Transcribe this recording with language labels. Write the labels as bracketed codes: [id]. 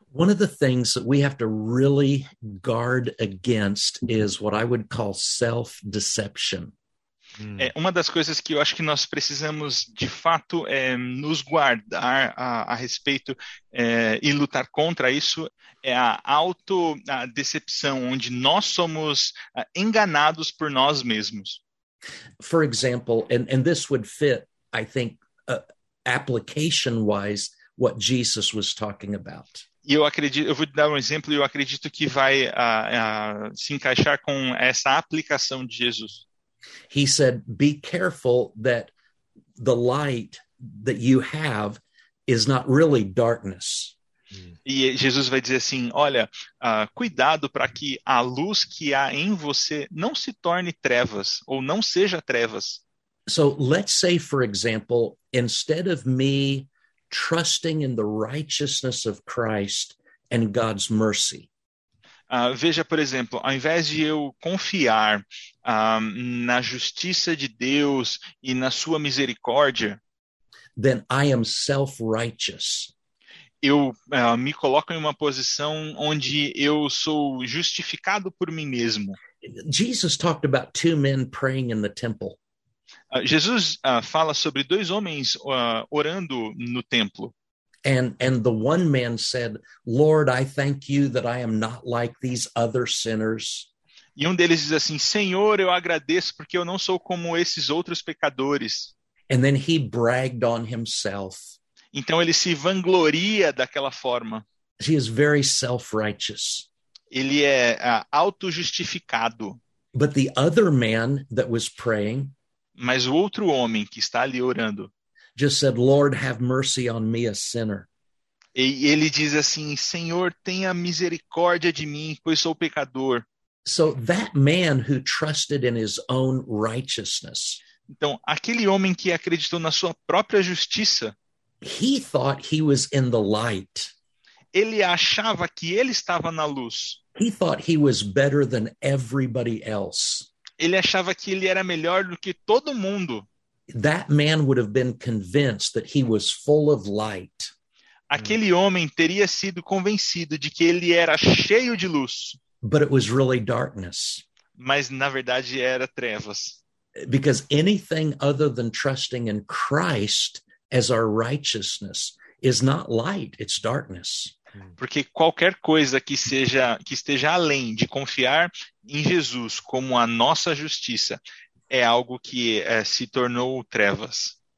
[en] One of the things that we have to really guard against is what I would call self-deception. [pt] É uma das coisas que eu acho que nós precisamos, de fato, nos guardar a respeito e lutar contra isso, é a autodecepção, onde nós somos enganados por nós mesmos. [en] For example, and this would fit, I think, application-wise, what Jesus was talking about. [pt] E eu vou dar um exemplo e eu acredito que vai se encaixar com essa aplicação de Jesus. [en] He said, be careful that the light that you have is not really darkness. [pt] E Jesus vai dizer assim, olha, cuidado para que a luz que há em você não se torne trevas ou não seja trevas. [en] So let's say, for example, instead of me trusting in the righteousness of Christ and God's mercy. [pt] Veja, por exemplo, ao invés de eu confiar na justiça de Deus e na sua misericórdia, [en] then I am self-righteous. [pt] Eu me coloco em uma posição onde eu sou justificado por mim mesmo. [en] Jesus talked about two men praying in the temple. [pt] Jesus fala sobre dois homens orando no templo. [en] And the one man said, Lord, I thank you that I am not like these other sinners. [pt] E um deles diz assim, Senhor, eu agradeço porque eu não sou como esses outros pecadores. [en] And then he bragged on himself. [pt] Então ele se vangloria daquela forma. [en] He is very self-righteous. [pt] Ele é auto-justificado. [en] But the other man that was praying, [pt] mas o outro homem que está ali orando, [en] just said, Lord, have mercy on me, a sinner. [pt] E ele diz assim, Senhor, tenha misericórdia de mim, pois sou pecador. [en] So that man who trusted in his own righteousness, [pt] então, aquele homem que acreditou na sua própria justiça, [en] he thought he was in the light. [pt] Ele achava que ele estava na luz. [en] He thought he was better than everybody else. [pt] Ele achava que ele era melhor do que todo mundo. [en] That man would have been convinced that he was full of light. [pt] Aquele homem teria sido convencido de que ele era cheio de luz. [en] But it was really darkness. [pt] Mas na verdade era trevas. [en] Because anything other than trusting in Christ as our righteousness is not light, it's darkness. [pt] Porque qualquer coisa que esteja além de confiar em Jesus como a nossa justiça é algo que se tornou trevas.